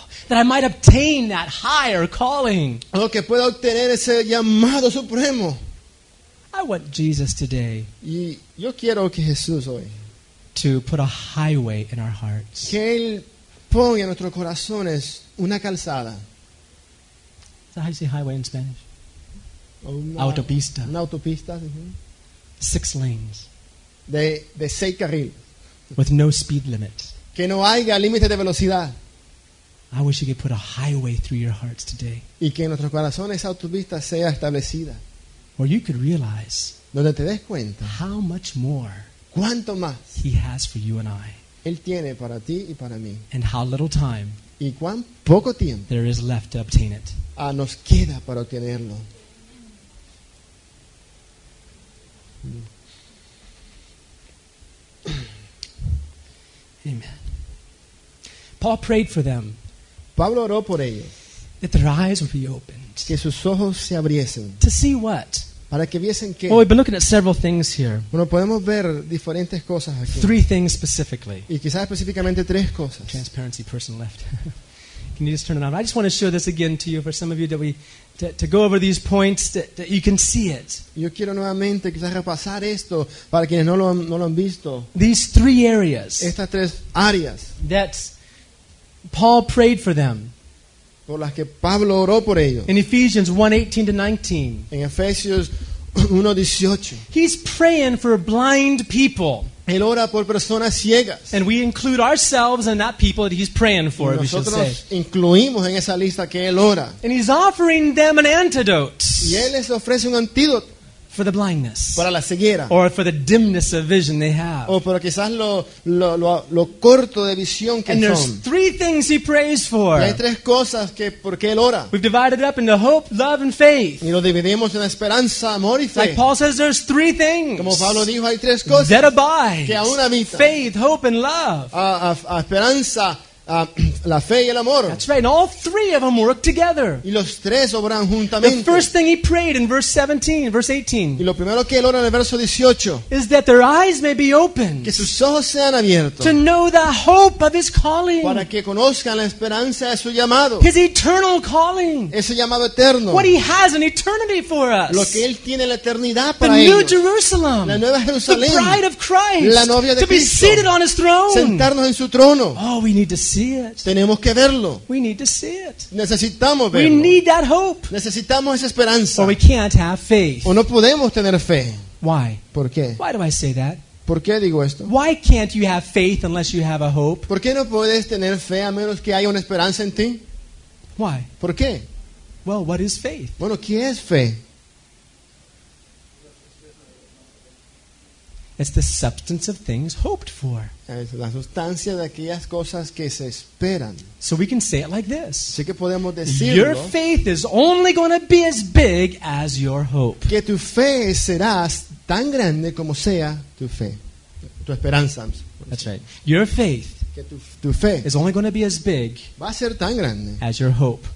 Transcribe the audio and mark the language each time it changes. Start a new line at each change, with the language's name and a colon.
English: That I might obtain that higher calling.
Spanish: Oh, que pueda obtener ese llamado supremo.
English: I want Jesus today.
Spanish: Y yo quiero que Jesús hoy.
English: To put a highway in our hearts.
Spanish: Que él ponga en nuestros corazones una calzada.
English: Is that how you say highway in Spanish?
Spanish: Autopista. Una autopista. Mm-hmm.
English: Six lanes.
Spanish: De seis carriles.
English: With no speed limit.
Spanish: Que no haya límite de velocidad.
English: I wish you could put a highway through your hearts today.
Spanish: Y que en nuestros corazones esa autopista sea establecida.
English: Where you could realize.
Spanish: Donde te des cuenta.
English: How much more.
Spanish: Cuánto más.
English: He has for you and I.
Spanish: Él tiene para ti y para mí.
English: And how little time.
Spanish: Y cuán poco tiempo.
English: There is left to obtain it.
Spanish: Nos queda para obtenerlo.
English: Amen. Paul prayed for them.
Spanish: Pablo oró por ellos.
English: That their eyes would be opened.
Spanish: Que sus ojos se abriesen.
English: To see what?
Spanish: Para que viesen qué.
English: Well, we've been looking at several things here.
Spanish: Bueno, podemos ver diferentes cosas aquí.
English: Three things specifically.
Spanish: Y quizás específicamente tres cosas.
English: Transparency person left. Can you just turn it on? I just want to show this again to you, for some of you that we to go over these points that you can see it.
Spanish: Yo quiero nuevamente quizás repasar esto para quienes no lo han visto.
English: These three areas.
Spanish: Estas tres áreas.
English: That Paul prayed for them.
Spanish: Por las que Pablo oró por ellos.
English: In Ephesians 1:18-19.
Spanish: En Efesios 1:18.
English: He's praying for blind people.
Spanish: Él ora por personas ciegas.
English: And we include ourselves and that people that he's praying for, we should say.
Spanish: Nosotros incluimos en esa lista que él ora.
English: And he's offering them an antidote.
Spanish: Y él les ofrece un antídoto.
English: For the blindness.
Spanish: Para la ceguera.
English: Or for the dimness of vision they have.
Spanish: O para quizás lo corto de visión que
English: and
Spanish: son.
English: And there's three things he prays for.
Spanish: Y hay tres cosas que por qué él ora.
English: We've divided it up into hope, love, and faith.
Spanish: Y lo dividimos en esperanza, amor y fe.
English: Like Paul says, there's three things.
Spanish: Como Pablo dijo, hay tres cosas.
English: That abide.
Spanish: Que aún habita.
English: Faith, hope, and love.
Spanish: A esperanza. La fe y el amor.
English: That's right, and all three of them work together.
Spanish: Y los tres obran juntamente.
English: The first thing he prayed in verse 17, verse 18.
Spanish: Y lo primero que él ora en el verso 18.
English: Is that their eyes may be opened.
Spanish: Que sus ojos sean abiertos.
English: To know the hope of his calling.
Spanish: Para que conozcan la esperanza de su llamado.
English: His eternal calling.
Spanish: Ese llamado eterno.
English: What he has in eternity for us.
Spanish: Lo que él tiene en la eternidad para ellos.
English: The new Jerusalem.
Spanish: La nueva Jerusalén.
English: The bride of Christ.
Spanish: La novia de
English: to
Spanish: Cristo.
English: To be seated on his throne.
Spanish: Sentarnos en su trono.
English: Oh, we need to see it.
Spanish: Tenemos que verlo.
English: We need to see it.
Spanish: Necesitamos verlo.
English: We need that hope.
Spanish: Necesitamos esa esperanza.
English: Or we can't have faith.
Spanish: O no podemos tener fe.
English: Why?
Spanish: ¿Por qué?
English: Why do I say that?
Spanish: ¿Por qué digo esto?
English: Why can't you have faith unless you have a hope?
Spanish: ¿Por qué no puedes tener fe a menos que haya una esperanza en ti?
English: Why?
Spanish: ¿Por qué?
English: Well, what is faith?
Spanish: Bueno, ¿qué es fe?
English: It's the substance of things hoped for.
Spanish: Es la sustancia de aquellas cosas que se esperan.
English: So we can say it like this.
Spanish: Así que podemos decirlo.
English: Your faith is only going to be as big as your hope.
Spanish: Que tu fe será tan grande como sea tu fe. Tu esperanza.
English: That's right. Your faith
Spanish: que tu fe
English: is only going to be as big
Spanish: va a ser tan grande
English: as your hope.